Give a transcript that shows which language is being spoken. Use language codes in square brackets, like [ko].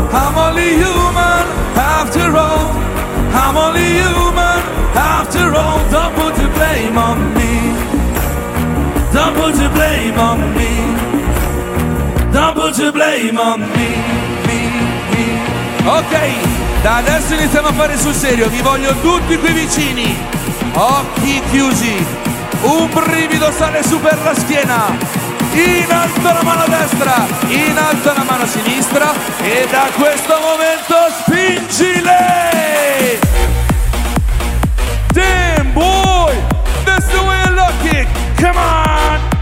[en] I'm only human after all, I'm only human after all. Don't put the blame on me, don't put the blame on me, don't put the blame on me, me, me. Okay. [it] Da adesso iniziamo a fare sul serio, vi voglio tutti qui vicini, occhi chiusi, un brivido sale su per la schiena, in alto la mano destra, in alto la mano sinistra e da questo momento spingile! [en] Damn boy, that's the way I look it, come on!